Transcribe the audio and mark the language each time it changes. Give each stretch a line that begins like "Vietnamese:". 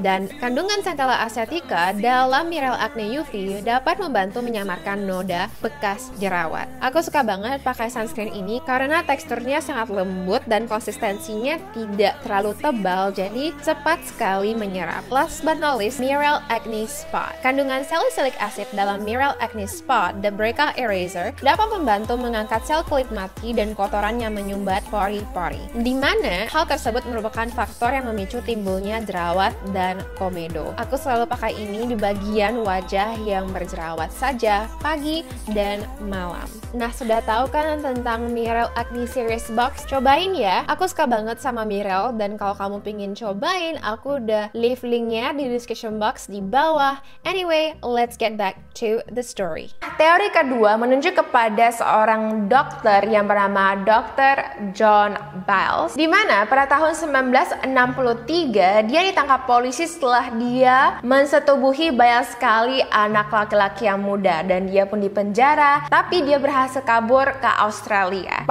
Indonesian: Dan kandungan centella asiatica dalam Mirel Acne UV dapat membantu menyamarkan noda bekas jerawat. Aku suka banget pakai sunscreen ini karena teksturnya sangat lembut dan konsistensinya tidak terlalu tebal, jadi cepat sekali menyerap.
English: Last but not least, Mirel Acne Spot.
Indonesian: Kandungan salicylic acid dalam Mirel Acne Spot The Breakout Eraser dapat membantu mengangkat sel kulit mati dan kotoran yang menyumbat pori-pori, di mana hal tersebut merupakan faktor yang memicu timbulnya jerawat dan komedo. Aku selalu pakai ini di bagian wajah yang berjerawat saja pagi dan malam. Nah, sudah tahu kan tentang Mirel Acne Series Box? Cobain ya. Aku suka banget sama Mirel, dan kalau kamu pengin cobain, aku udah
English: leave
Indonesian: linknya di
English: description box
Indonesian: di bawah.
English: Anyway, let's get back to the story.
Indonesian: Teori kedua menunjuk kepada seorang dokter yang bernama Dr. John Biles, di mana pada tahun 1963 dia ditangkap polisi setelah dia mensetubuhi banyak sekali anak laki-laki yang muda, dan dia pun dipenjara, tapi dia berhasil kabur ke Australia.